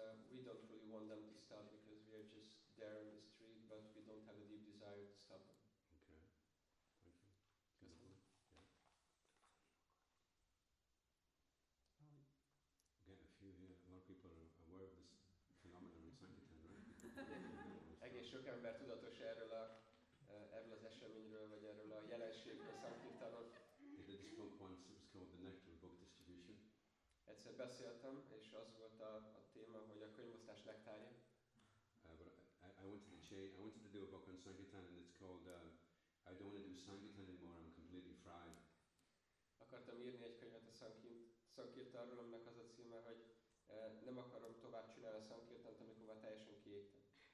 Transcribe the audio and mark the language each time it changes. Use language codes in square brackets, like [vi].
[en] We don't really want them to stop because we are just there on the street, but we don't have a deep desire to stop them. Okay. Thank you. Yes. Yeah. Again, a few here. A lot of people are aware of this phenomenon in Sankirtan, right? [hu] Egész sok ember tudatos erről az eseményről, vagy erről a jelenségről, Sankirtanon. [en] They did this book once, it was called the Nectar Book Distribution. [hu] Egyszer beszéltem, és az volt a téma, hogy a könyvosztás nektárja. [en] I wanted to do a book on Sankirtan, and it's called I don't want to do Sankirtan anymore, I'm completely fried. [hu] Akartam írni egy könyvet a Sankirtanról, aminek az a címe, hogy nem akarom tovább csinálni a Sankirtant, amikor már teljesen kiégtem.